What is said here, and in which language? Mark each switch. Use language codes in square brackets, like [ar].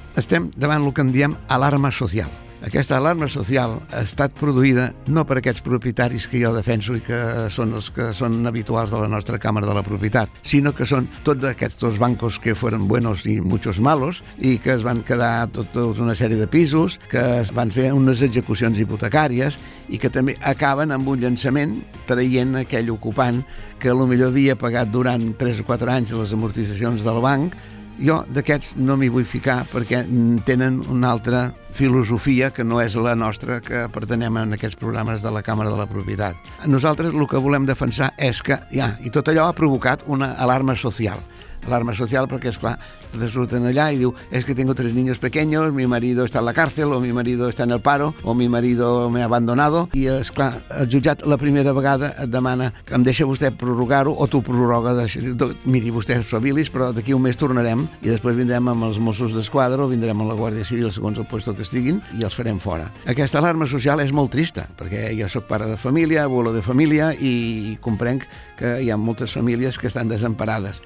[ca] Estem davant el que en diem alarma social. Aquesta alarma social ha estat produïda no per aquests propietaris que jo defenso i que són els que són habituals de la nostra Càmera de la Propietat, sinó que són tots aquests dos bancos que foren buenos i muchos malos i que es van quedar tota una sèrie de pisos, que es van fer unes execucions hipotecàries i que també acaben amb un llançament traient aquell ocupant que potser havia pagat durant 3 o 4 anys les amortitzacions del banc. Jo d'aquests no m'hi vull ficar perquè tenen una altra filosofia que no és la nostra, que pertanyem en aquests programes de la Càmera de la Propietat. Nosaltres el que volem defensar és que ja, i tot allò ha provocat una alarma social. Alarma social perquè, és clar, resulten allà i diu [es] es que tengo tres niños pequeños, mi marido está en la cárcel, o mi marido está en el paro, o mi marido me ha abandonado. [ca] I, és clar, el jutjat la primera vegada et demana que em deixa vostè prorrogar-ho o tu prorroga. Miri, vostè és habilis, però d'aquí un mes tornarem i després vindrem amb els Mossos d'Esquadra o vindrem amb la Guàrdia Civil, segons el lloc que estiguin, i els farem fora. Aquesta alarma social és molt trista, perquè jo sóc pare de família, abuelo de família, i comprenc que hi ha moltes famílies que estan desemparades.